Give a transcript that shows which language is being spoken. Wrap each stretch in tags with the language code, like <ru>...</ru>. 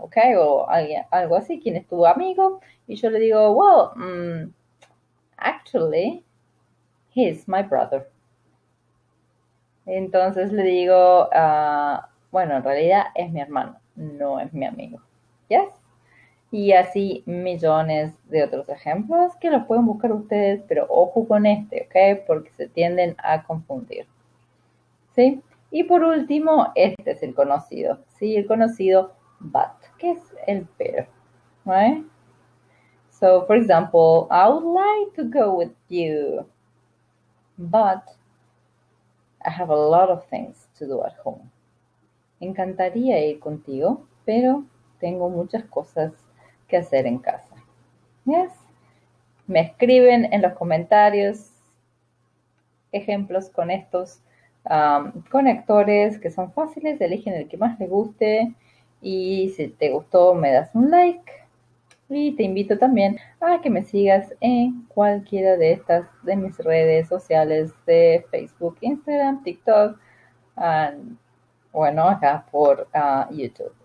<es>Okay, o alguien, algo así, ¿quién es tu amigo? Y yo le digo,</es> <en>well, actually, he is my brother.</en> <es>Entonces le digo, bueno, en realidad es mi hermano, no es mi amigo. ¿Yes? Y así millones de otros ejemplos que los pueden buscar ustedes, pero ojo con este, ¿ok? Porque se tienden a confundir. ¿Sí? Y por último, este es el conocido, ¿sí? El conocido but, que es el pero.</es> <en>¿Right? So, for example, I would like to go with you, but I have a lot of things to do at home.</en> <es>Encantaría ir contigo, pero tengo muchas cosas que hacer en casa. ¿Yes? Me escriben en los comentarios ejemplos con estos conectores que son fáciles, eligen el que más les guste y si te gustó me das un like y te invito también a que me sigas en cualquiera de estas de mis redes sociales de Facebook, Instagram, TikTok y bueno, acá por YouTube.</es>